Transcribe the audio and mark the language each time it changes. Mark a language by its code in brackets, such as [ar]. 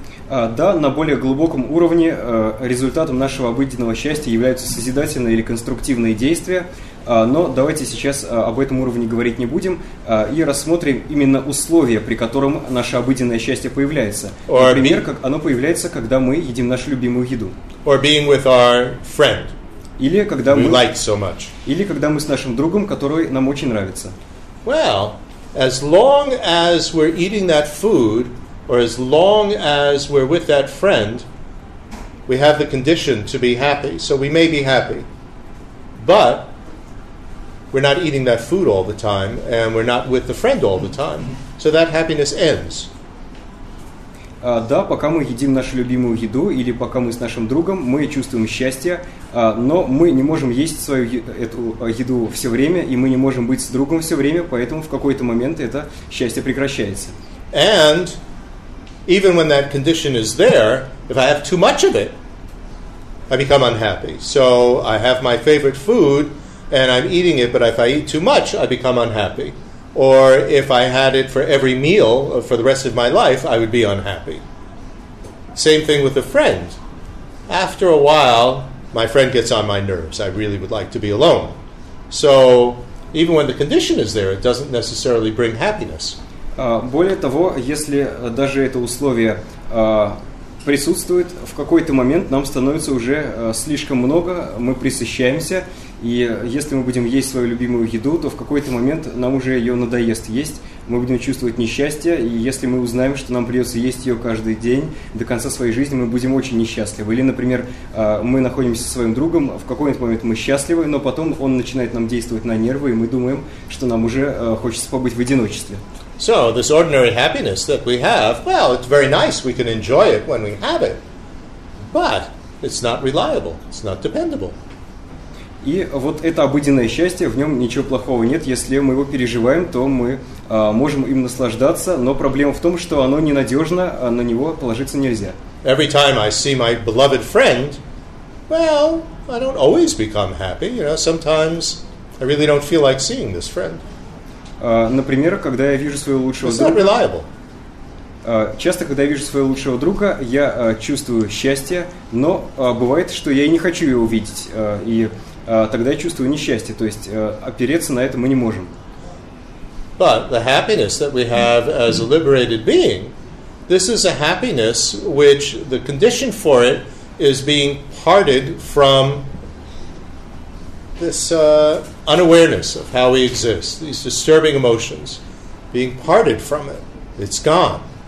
[ru] Да, на более глубоком уровне результатом нашего обыденного счастья являются созидательные или конструктивные действия, но давайте сейчас об этом уровне говорить не будем и рассмотрим именно условия, при котором наше обыденное счастье появляется. Например, как оно появляется, когда мы едим нашу любимую еду. [en] Or being with our friend, [ru] или когда [en] who [ru] мы, [en] likes so much. [ru] Или когда мы с нашим другом, который нам очень нравится. [en] Well, as long as we're eating that food, or as long as we're with that friend, we have the condition to be happy. So we may be happy, but we're not eating that food all the time, and we're not with the friend all the time. So that happiness ends. [ru] Да, пока мы едим нашу любимую еду, или пока мы с нашим другом, мы чувствуем счастье, но мы не можем есть свою эту еду все время, и мы не можем быть с другом все время, поэтому в какой-то момент это счастье прекращается. [en] And even when that condition is there, if I have too much of it, I become unhappy. So I have my favorite food, and I'm eating it, but if I eat too much, I become unhappy. Or if I had it for every meal for the rest of my life, I would be unhappy. Same thing with a friend. After a while, my friend gets on my nerves. I really would like to be alone. So even when the condition is there, it doesn't necessarily bring happiness. [ru] Более того, если даже это условие присутствует, в какой-то момент нам становится уже слишком много, мы пресыщаемся, и если мы будем есть свою любимую еду, то в какой-то момент нам уже ее надоест есть, мы будем чувствовать несчастье, и если мы узнаем, что нам придется есть ее каждый день, до конца своей жизни мы будем очень несчастливы. Или, например, мы находимся со своим другом, в какой-нибудь момент мы счастливы, но потом он начинает нам действовать на нервы, и мы думаем, что нам уже хочется побыть в одиночестве. [en] So this ordinary happiness that we have, well, it's very nice, we can enjoy it when we have it, but it's not reliable, it's not dependable. [ru] И вот это обыденное счастье, в нем ничего плохого нет, если мы его переживаем, то мы можем им наслаждаться, но проблема в том, что оно ненадежно, а на него положиться нельзя. [en] Every time I see my beloved friend, well, I don't always become happy, you know, sometimes I really don't feel like seeing this friend. [ru] Например, когда я вижу своего лучшего друга, часто, когда я вижу своего лучшего друга, я чувствую счастье, но бывает, что я и не хочу его увидеть, и тогда я чувствую несчастье, то есть опереться на это мы не можем. [en] But the happiness that we have as a liberated being, this is a happiness which the condition for it is being parted from this unawareness of how we exist, these disturbing emotions, being parted from it, it's gone.